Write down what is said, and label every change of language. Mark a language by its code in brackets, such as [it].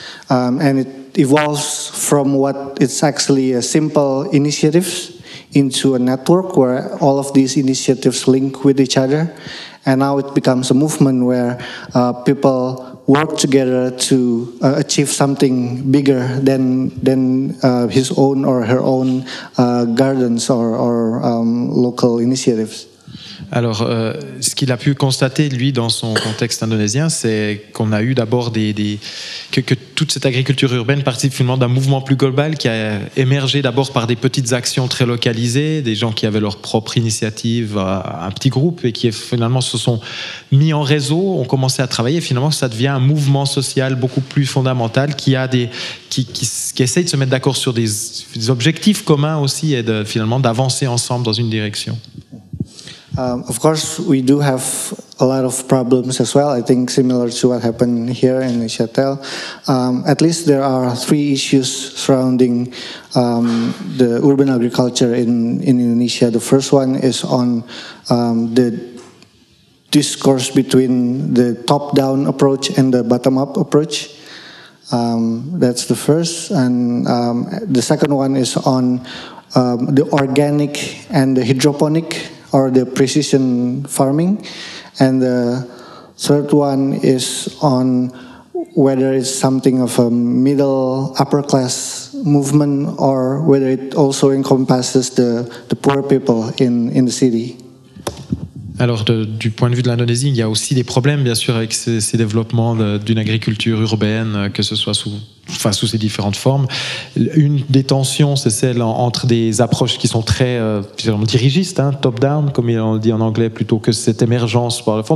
[en] And it evolves from what it's actually a simple initiative into a network where all of these initiatives link with each other. And now it becomes a movement where people work together to achieve something bigger than his own or her own gardens or local initiatives. [fr] Alors, ce qu'il a pu constater, lui, dans son contexte indonésien, c'est qu'on a eu d'abord que toute cette agriculture urbaine participe finalement d'un mouvement plus global qui a émergé d'abord par des petites actions très localisées, des gens qui avaient leur propre initiative, un petit groupe, et qui finalement se sont mis en réseau, ont commencé à travailler, et finalement ça devient un mouvement social beaucoup plus fondamental qui essaye de se mettre d'accord sur des objectifs communs aussi, et finalement d'avancer ensemble dans une direction. [en] Of course, we do have a lot of problems as well. I think similar to what happened here in Neuchâtel. At least there are three issues surrounding the urban agriculture in Indonesia. The first one is on the discourse between the top-down approach and the bottom-up approach. That's the first. And the second one is on the organic and the hydroponic or the precision farming. And the third one is on whether it's something of a middle upper class movement or whether it also encompasses the poor people in the city. [fr] Alors, du point de vue de l'Indonésie, il y a aussi des problèmes, bien sûr, avec ces développements d'une agriculture urbaine, que ce soit sous ces différentes formes. Une des tensions, c'est celle entre des approches qui sont très dirigistes, hein, top-down, comme on le dit en anglais, plutôt que cette émergence par le fond.